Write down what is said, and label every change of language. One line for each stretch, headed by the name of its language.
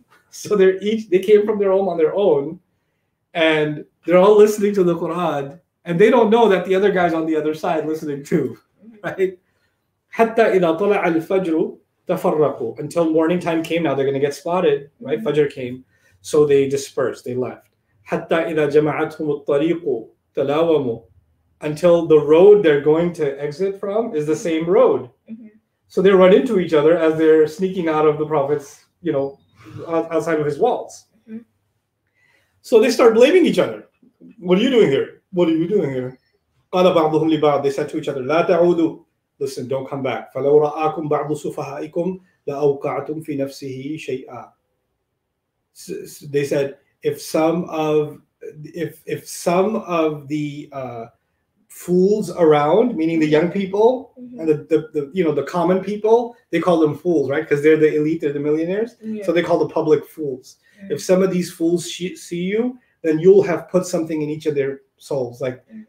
English: So they came from their home on their own, and they're all listening to the Quran, and they don't know that the other guy's on the other side listening too, right?
Arabic: حَتَّى إِذَا طَلَعَ الْفَجْرُ تَفَرَّقُوا.
English: Until morning time came, now they're going to get spotted, right? Fajr came, so they dispersed, they left.
Arabic: حتى إذا جمعتهم الطريق تلاوموا.
English: Until the road they're going to exit from is the same road. So they run into each other as they're sneaking out of the Prophet's, you know, outside of his walls. So they start blaming each other. What are you doing here? What are you doing here?
Arabic: قال بعضهم لبعض,
English: they said to each other,
Arabic: لا تعودوا,
English: listen, don't come back.
Arabic: فلو رآكم بعض سفهائكم لأوقعتم في نفسه شيئا.
English: They said, if some of the fools around, meaning the young people, mm-hmm. and the common people, they call them fools, right? Because they're the elite, they're the millionaires. Yeah. So they call the public fools. Yeah. If some of these fools see you, then you'll have put something in each of their souls. Like, mm-hmm.